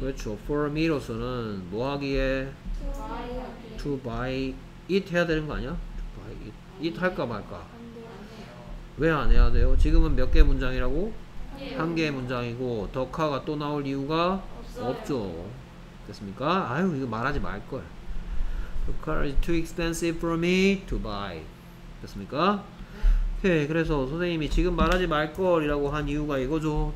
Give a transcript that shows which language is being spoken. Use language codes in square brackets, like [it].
[ko] 그렇죠. For me로서는 뭐 하기에? [en] To buy [ko] it. [en] To buy it [ko] 해야 되는 거 아니야? it 할까 말까? 안 왜 안 해야 돼요? 지금은 몇 개 문장이라고? 예, 한 개 문장이고 더 카가 또 나올 이유가 없어요. 없죠. 됐습니까? 아유 이거 말하지 말걸. [en] The car is too expensive for me to buy. [ko] 됐습니까? 오케이. 네. 그래서 선생님이 지금 말하지 말걸 이라고 한 이유가 이거죠.